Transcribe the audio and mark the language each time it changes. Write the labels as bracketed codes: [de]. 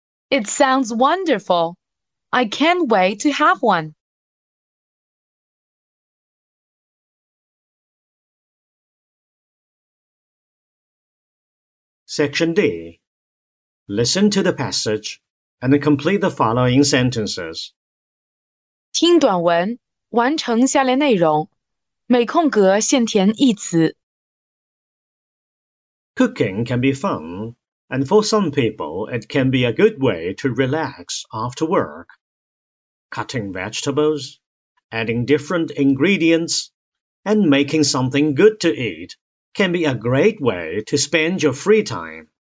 [en] It sounds wonderful. I can't wait to have one. Section D. Listen to the passage and complete the following sentences. [zh] 听短文，完成下列内容，每空格限填一词。 [en] Cooking can be fun, and for some people, it can be a good way to relax after work. Cutting vegetables, adding different ingredients, and making something good to eat can be a great way to spend your free time.